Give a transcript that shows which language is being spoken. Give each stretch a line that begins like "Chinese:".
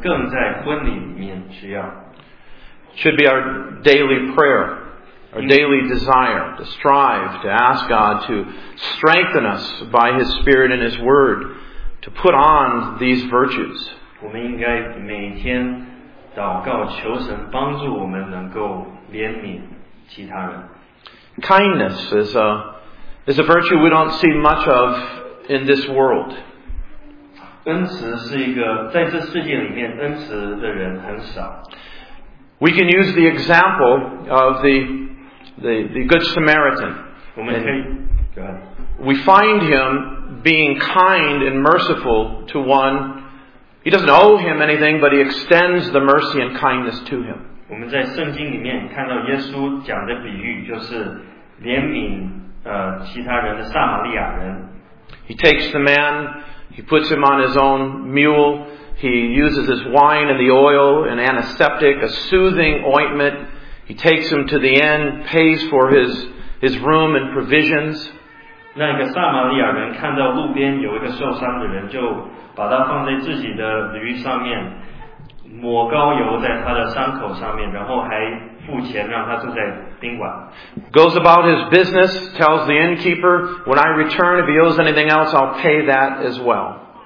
Chinese: 我们需要怜悯，我们需要连续，不单是在一个堕落的世界里面需要，但是更在婚礼里面需要。
English: Should be our daily prayer, our daily desire to strive, to ask God to strengthen us by His Spirit and His Word to put on these virtues.
Chinese: 我们应该每天祷告，求神帮助我们能够怜悯其他人。
English: Kindness is a virtue we don't see much of in this world.
Chinese: 恩慈是一个在这世界里面恩慈的人很少。
English: We can use the example of the Good Samaritan.
Chinese: 我们可以，
English: go ahead. We find him being kind and merciful to one. He doesn't owe him anything, but he extends the mercy and kindness to him.
Chinese: 我们在圣经里面看到耶稣讲的比喻就是。怜悯其他人的撒玛利亚人。
English: He takes the man, he puts him on his own mule, he uses his wine and the oil, an antiseptic, a soothing ointment, he takes him to the inn, pays for his room and provisions.
Chinese: 那个撒玛利亚人看到路边有一个受伤的人，就把他放在自己的驴上面，抹膏油在他的伤口上面，然后还付钱让他住在宾馆。
English: Goes about his business, tells the innkeeper, when I return, if he owes anything else, I'll pay that as well.